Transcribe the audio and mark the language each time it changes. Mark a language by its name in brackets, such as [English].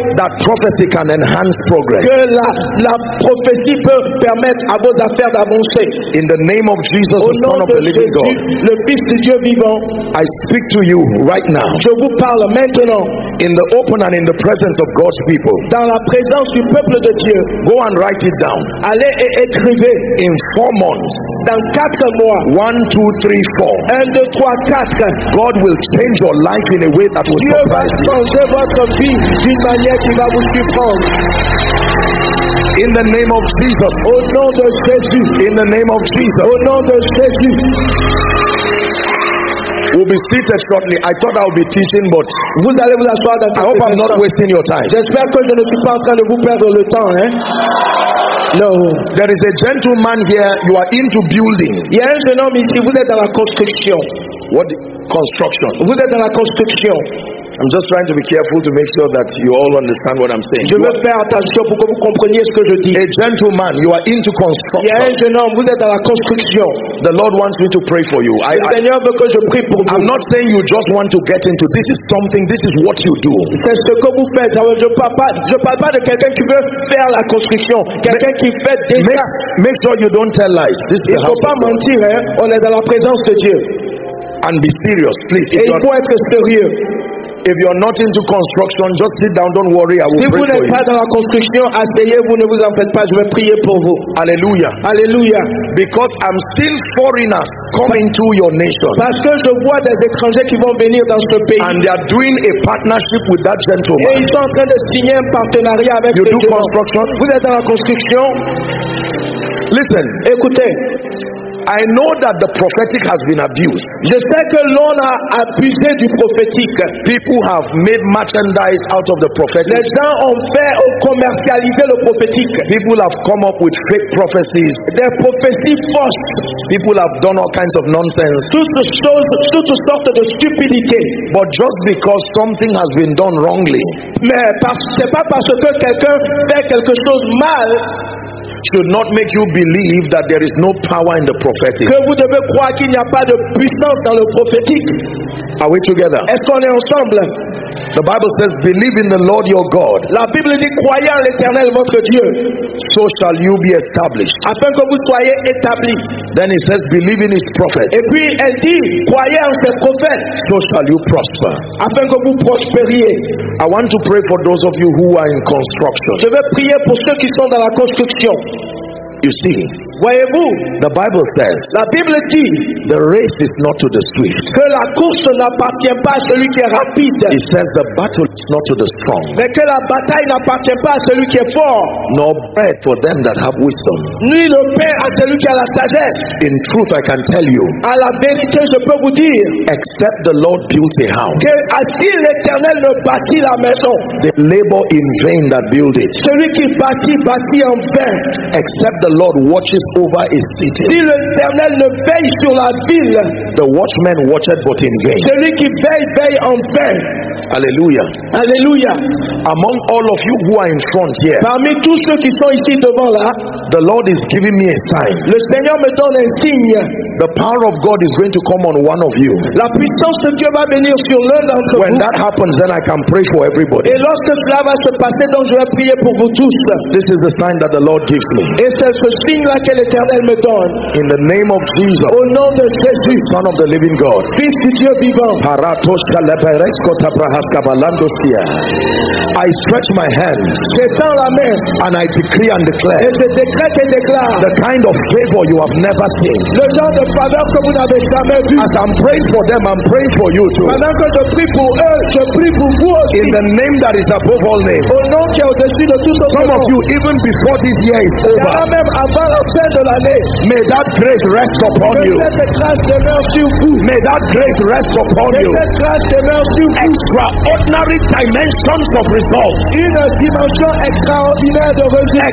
[English] that prophecy can enhance progress? [French] Que la prophétie peut permettre à vos affaires d'avancer. [English] In the name of Jesus, [French] au [English] the Son of the Living [French] Jésus, [English] God, [French] le Fils de Dieu vivant, [English] I speak to you right now. [French] Je vous parle maintenant. [English] In the open and in the presence of God's people. [French] Dans la présence du peuple de Dieu. [English] Go and write it down. [French] Allez et écrivez. [English] In 4 months. [French] Dans 4 mois. [English] 1, 2, 3, 4. [French] 1, 2, 3, 4. [English] God will change your life in a way that will [French] Dieu [English] surprise [French] va changer [English] you. [French] Votre vie d'une manière qui va vous surprendre. [English] In the name of Jesus. [French] Au nom de Jésus. [English] In the name of Jesus. [French] Au nom de Jésus. [English] We'll be seated shortly. I thought I would be teaching, but [French] vous allez vous asseoir dans [English] I hope I'm not wasting your time. [French] J'espère que je ne suis pas en train de vous perdre le temps, hein? [English] No. There is a gentleman here. You are into building. [French] Il y a un jeune homme ici. Vous êtes dans la construction. [English] What? Construction. [French] Vous êtes dans la construction. [English] I'm just trying to be careful to make sure that you all understand what I'm saying. [French] Je veux faire attention pour que vous compreniez ce que je dis. [English] A gentleman, you are into construction. [French] Il y a un jeune homme, vous êtes dans la construction. [English] The Lord wants me to pray for you. [French] Le Seigneur veut que je prie pour vous. [English] I'm not saying you just want to get into this is something, this is what you do. [French] C'est ce que vous faites. Je parle pas de quelqu'un qui veut faire la construction. Quelqu'un qui fait des choses. [English] Make sure you don't tell lies. [French] Il ne faut pas mentir, hein. On est dans la présence de Dieu. [English] And be serious, please. [French] Et il faut être sérieux. [English] If you're not into construction, just sit down, don't worry, I will pray [French] Si vous n'êtes pas dans la construction, asseyez-vous, ne vous en faites pas, je vais prier pour vous. Alléluia. Alléluia. [English] Because I'm seeing foreigners coming to your nation. [French] Parce que je vois des étrangers qui vont venir dans ce pays. [English] And they are doing a partnership with that gentleman. [French] Et ils sont en train de signer un partenariat avec ce gentleman. [English] You do construction? [French] Vous êtes dans la construction? [English] Listen. [French] Écoutez. [English] I know that the prophetic has been abused. [French] Je sais que l'on a abusé du prophétique. [English] People have made merchandise out of the prophetic. [French] Les gens ont commercialisé le prophétique. [English] People have come up with fake prophecies. [French] Des prophéties fausses. [English] People have done all kinds of nonsense. [French] Toutes sortes de stupidité. [English] But just because something has been done wrongly. [French] Mais c'est pas parce que quelqu'un fait quelque chose mal. [English] Should not make you believe that there is no power in the prophetic. [French] Que vous devez croire qu'il n'y a pas de puissance dans le prophétique. [English] Are we together? [French] Est-ce qu'on est ensemble? [English] The Bible says, "Believe in the Lord your God." [French] La Bible dit, croyez en l'Éternel votre Dieu. [English] So shall you be established. [French] Afin que vous soyez établi. [English] Then it says, "Believe in His prophets." [French] Et puis elle dit, croyez en ses prophètes. [English] So shall you prosper. [French] Afin que vous prospériez. [English] I want to pray for those of you who are in construction. [French] Je veux prier pour ceux qui sont dans la construction. [English] You see, [French] voyez-vous, [English] the Bible says, [French] la Bible dit, [English] the race is not to the swift. [French] Que la course n'appartient pas à celui qui est rapide. [English] It says the battle is not to the strong. [French] Mais que la bataille n'appartient pas à celui qui est fort. [English] Nor bread for them that have wisdom. [French] Ni le pain à celui qui a la sagesse. [English] In truth, I can tell you. [French] À la vérité, je peux vous dire. [English] Except the Lord build a house. [French] Que si l'Éternel ne bâtit la maison. [English] They labor in vain that build it. [French] Celui qui bâtit en vain. [English] Except the Lord watches over his city. [French] Si l'Éternel ne veille sur la ville, [English] the watchman watches but in vain. [French] Celui qui veille, veille en vain. Alléluia. Alléluia. [English] Among all of you who are in front here, [French] parmi tous ceux qui sont ici devant là, [English] the Lord is giving me a sign. [French] Le Seigneur me donne un signe. [English] The power of God is going to come on one of you. [French] La puissance de Dieu va venir sur l'un d'entre vous. [English] When that happens, then I can pray for everybody. [French] Et lorsque cela va se passer, donc je vais prier pour vous tous. [English] This is the sign that the Lord gives me. [French] Et c'est ce signe là que l'Éternel me donne. [English] In the name of Jesus. [French] Au nom de Jésus. [English] Son of the living God. [French] Fils de Dieu vivant. [English] I stretch my hand and I decree and declare the kind of favor you have never seen. [French] Le genre de faveur que vous n'avez jamais vu. [English] As I'm praying for them, I'm praying for you too. [French] Pendant que je prie pour eux, je prie pour vous aussi. [English] In the name that is above all names. [French] Au nom qui est au-dessus de tout autre nom. [English] Some of you, even before this year is over, [French] même avant la fin de l'année, [English] may that grace rest upon you. May that grace rest upon you. Extraordinary dimensions of results. [French] Une dimension extraordinaire de résultats.